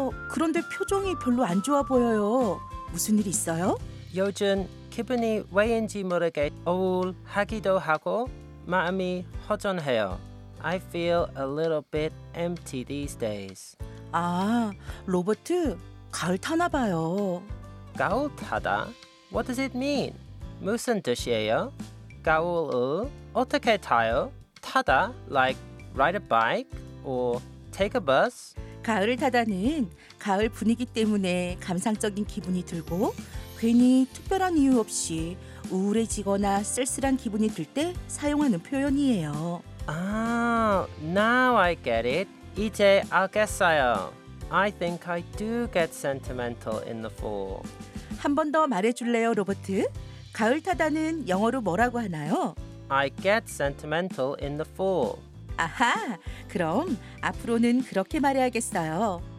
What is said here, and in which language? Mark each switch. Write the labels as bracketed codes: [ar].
[ko] 그런데 표정이 별로 안 좋아 보여요. 무슨 일 있어요? 요즘 기분이 왜인지 모르게 우울하기도 하고 마음이 허전해요. [en] I feel a little bit empty these days. [ko] 아, 로버트, 가을 타나 봐요. 가을 타다? [en] What does it mean? [ko] 무슨 뜻이에요? 가을을 어떻게 타요? [en] 타다, like ride a bike or take a bus? [ko] 가을을 타다는 가을 분위기 때문에 감상적인 기분이 들고 괜히 특별한 이유 없이 우울해지거나 쓸쓸한 기분이 들 때 사용하는 표현이에요. [en] 아, now I get it. [ko] 이제 알겠어요. [en] I think I do get sentimental in the fall. [ko] 한 번 더 말해줄래요, 로버트? 가을 타다는 영어로 뭐라고 하나요? [en] I get sentimental in the fall. [ko] 아하, 그럼 앞으로는 그렇게 말해야겠어요.